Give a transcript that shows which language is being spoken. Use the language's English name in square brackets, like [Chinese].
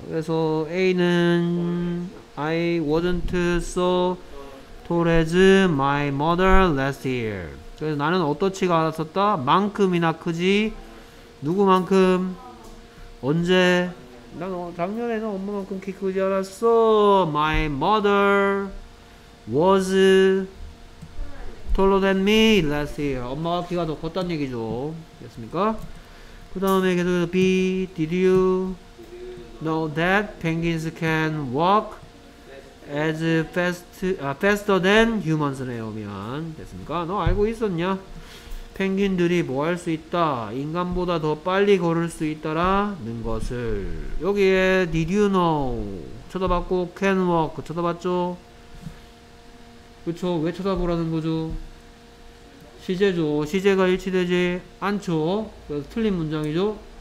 [Korean] 그래서 [English] A는 I wasn't so tall as my mother last year. [Korean] 그래서 나는 어떠치가 않았었다? 만큼이나 크지? 누구만큼? 언제? 난 작년에는 엄마만큼 키 크지 않았어. [English] My mother was taller than me last year. [Korean] 엄마가 키가 더 컸단 얘기죠. 됐습니까? 그 다음에 계속해서 B. [English] Did you know that penguins can walk as fast, faster than humans 내오면 [Korean] 됐습니까? 너 알고 있었냐? 펭귄들이 뭐 할 수 있다? 인간보다 더 빨리 걸을 수 있다라는 것을. 여기에 Did you know 쳐다봤고 can walk 쳐다봤죠? 그쵸? 왜 쳐다보라는 거죠? 시제죠. 시제가 일치되지 않죠. 그래서 틀린 문장이죠.